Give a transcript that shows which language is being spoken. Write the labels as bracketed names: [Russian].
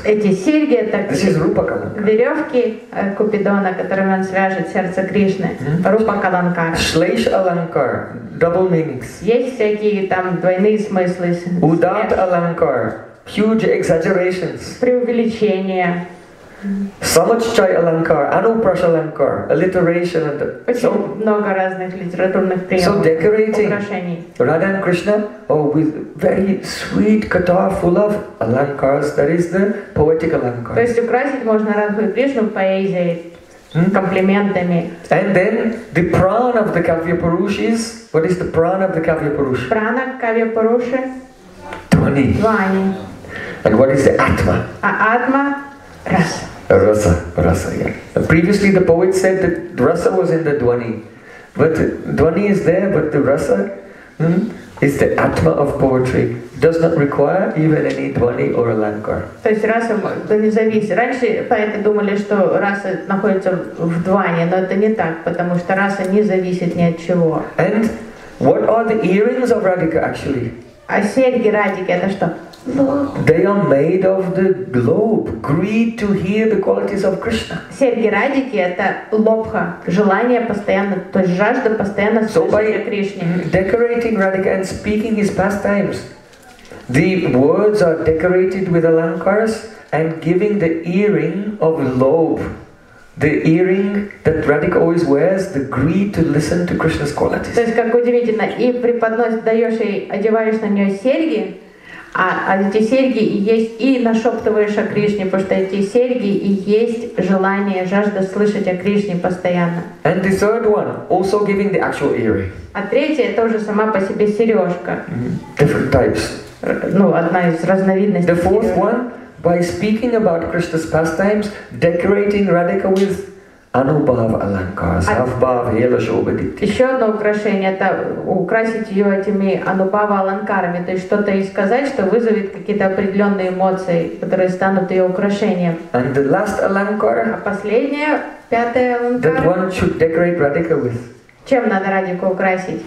[Russian] Эти серьги так. [English] This is rupa kalankara. [Russian] Веревки Купидона, которыми он свяжет сердце Кришны. [English] Rupa kalankara. Shlesh alankar, double meanings. [Russian] Есть всякие там двойные смыслы. [English] Udat alankar, huge exaggerations. [Russian] Преувеличения. [English] Samachchai alankar, anuprash alankar, alliteration and so [Russian] много разных литературных приемов. [English] So decorating Radha and Krishna with very sweet katar full of alankars, that is the poetic alankar. [Russian] То есть украсить можно Радху и Кришну поэзией, комплиментами. [English] And then the prana of the Kavya Purush is, what is the prana of the Kavya Purush? Prana Kavya Purush. Dhvani. Dhvani. And what is the atma? Atma. Rasa. Rasa, yeah. Previously the poet said that rasa was in the dhvani. But dhvani is there, but the rasa is the atma of poetry. Does not require even any dhvani or alankar. [Russian] То есть раса не зависит. Раньше поэты думали, что раса находится в дхвани, но это не так, потому что раса не зависит ни от чего. [English] And what are the earrings of Radhika actually? [Russian] А серьги Радики это что? [English] No. They are made of the lobe, greed to hear the qualities of Krishna. [Russian] Серьги радики это лобха, желание постоянно, то есть жажда постоянно слышать о Кришне. [English] So by decorating Radhika and speaking his pastimes, the words are decorated with alankaras and giving the earring of lobe. The earring that Radhika always wears, the greed to listen to Krishna's qualities. [Russian] То есть как удивительно, и преподносишь, даешь ей, одеваешь на нее серьги. А эти серьги есть и нашептываешь о Кришне, потому что эти серьги и есть желание, жажда слышать о Кришне постоянно. [English] And the third one, also giving the actual earring. [Russian] А третья это уже сама по себе сережка. [English] Different types. [Russian] Ну, одна из разновидностей. [English] The fourth one, by speaking about Krishna's pastimes, decorating Radhika with Anubhav alankars, Avbhav, Hela Shobaditi. [Russian] Еще одно украшение, это украсить ее этими Анубава аланкарами, то есть что-то ей сказать, что вызовет какие-то определенные эмоции, которые станут ее украшением. [English] And the last alankar, [Russian] а последняя, пятая аланкар, [English] that one should decorate Radhika with. [Russian] Чем надо Радику украсить?